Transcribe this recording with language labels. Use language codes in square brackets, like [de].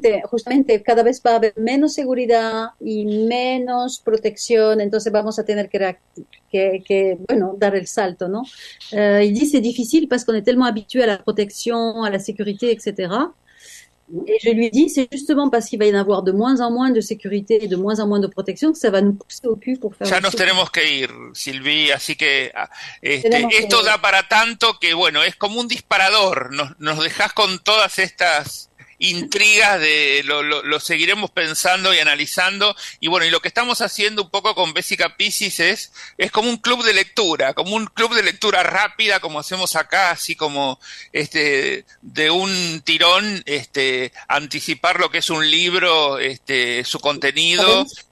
[es] Justamente cada vez va a haber menos seguridad y menos protección, entonces vamos a tener que dar el salto, ¿no? Y dice difícil [fr] parce qu'on est tellement habitué [es] a la protección, [fr] a la sécurité, etc. Et je lui dis, c'est justement parce qu'il va y en avoir de moins en moins de sécurité et de moins en moins de protection que ça va nous pousser au cul pour faire. [es] Ya nos tenemos que ir, Sylvie, así que esto da para tanto que, bueno, es como un disparador. Nos dejas con todas estas intrigas de lo seguiremos pensando y analizando. Y bueno, y lo que estamos haciendo un poco con Bessica Piscis es como un club de lectura, como un club de lectura rápida, como hacemos acá, así como de un tirón, anticipar lo que es un libro, su contenido.